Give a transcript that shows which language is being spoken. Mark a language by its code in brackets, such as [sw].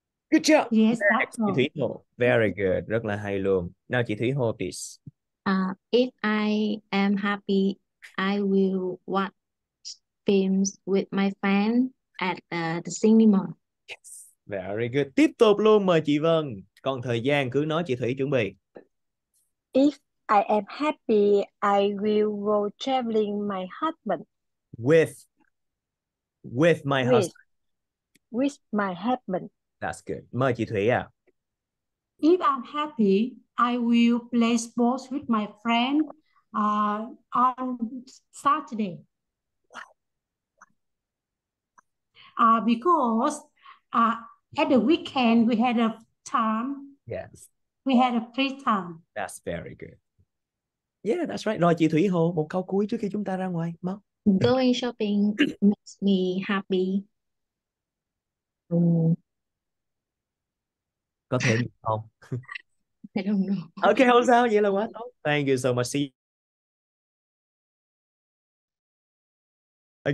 [en] Good job. Yes, that's all. [vi] Chị Thủy Hồ. [en] Very good. [vi] Rất là hay luôn. [en] Now, [vi] chị Thủy Hồ, [en] please. If I am happy, I will watch films with my fan at the cinema. Yes, very good. [vi] Tiếp tục luôn, mời chị Vân. Còn thời gian, cứ nói chị Thủy chuẩn bị. [en] If I am happy, I will go traveling my husband. With my husband. That's good. [vi] Mời chị Thủy à. [en] If I'm happy, I will play sports with my friend on Saturday. Because at the weekend we had a time. Yes. We had a free time. That's very good. Yeah, that's right. [vi] Rồi chị Thủy Hồ, một câu cuối trước khi chúng ta ra ngoài. Mau. [en] Going shopping makes me happy. [vi] Có thể không? [en] I don't know. Okay, [vi] không sao. Vậy là quá tốt. [en] Thank you so much. See you.